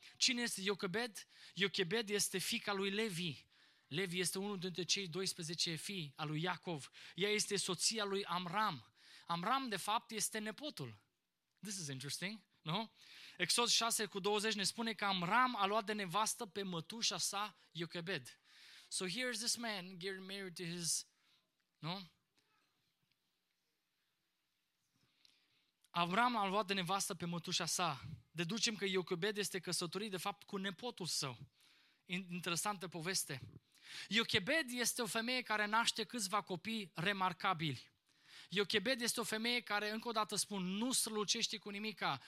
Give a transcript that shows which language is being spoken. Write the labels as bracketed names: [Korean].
[Romanian] Cine este Iochebed? Iochebed este fiica lui Levi. Levi este unul dintre cei 12 fii al lui Iacov. Ea este soția lui Amram. Amram, de fapt, este nepotul. [English] This is interesting, [Romanian] nu? Exod 6 cu 20 ne spune că Amram a luat de nevastă pe mătușa sa, Iochebed. [English] So here is this man getting married to his... [Romanian] Nu? Amram a luat de nevastă pe mătușa sa. Deducem că Iochebed este căsătorit, de fapt, cu nepotul său. Interesantă poveste. Iochebed este o femeie care naște câțiva copii remarcabili. Iochebed este o femeie care, încă o dată spun, nu strălucește cu nimica.